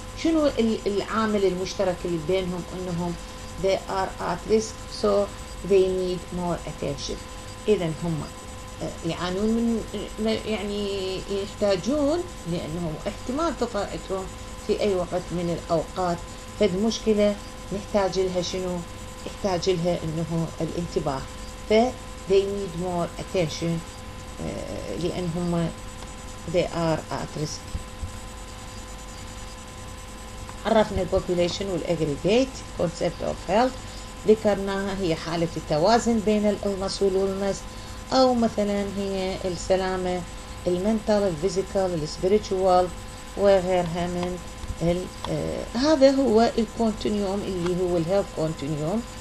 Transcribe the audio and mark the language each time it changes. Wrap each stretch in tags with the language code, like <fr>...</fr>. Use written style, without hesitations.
<ar>شنو العامل المشترك اللي بينهم؟ انهم</ar> <en>they are at risk so they need more attention.</en> <ar>اذا هم يعانون من، يعني يحتاجون، لانهم احتمال تطرقتهم في اي وقت من الاوقات فد مشكلة نحتاج لها. شنو يحتاج لها؟ انه الانتباه.</ar> <en>ف they need more attention</en> <ar>لانهم</ar> <en>they are at risk.</en> <ar>عرفنا الـ population والـ aggregate concept of health، ذكرناها هي حالة التوازن بين الـ illness والـ wellness، او مثلا هي السلامة الـ mental، الـ physical، الـ spiritual وغيرها من الـ هذا هو الـ continuum اللي هو الـ health continuum.</ar>